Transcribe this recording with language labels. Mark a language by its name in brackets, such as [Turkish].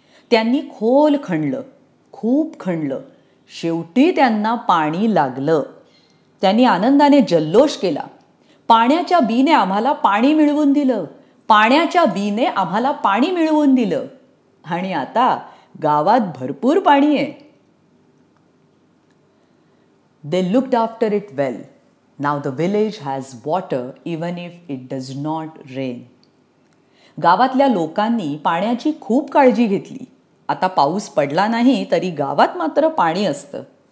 [Marathi] त्यांनी खोल खणलं, खूप खणलं. शेवटी त्यांना पाणी लागलं. त्यांनी आनंदाने जल्लोष केला. पाण्याच्या बीने आम्हाला पाणी मिळवून दिलं. पाण्याच्या बीने आम्हाला पाणी मिळवून दिलं. आणि आता गावात भरपूर पाणी आहे. [English] They looked after it well. Now the village has water even if it does not rain. [Marathi] गावातल्या लोकांनी पाण्याची खूप काळजी घेतली. आता पाऊस पडला नाही तरी गावात मात्र पाणी असतं.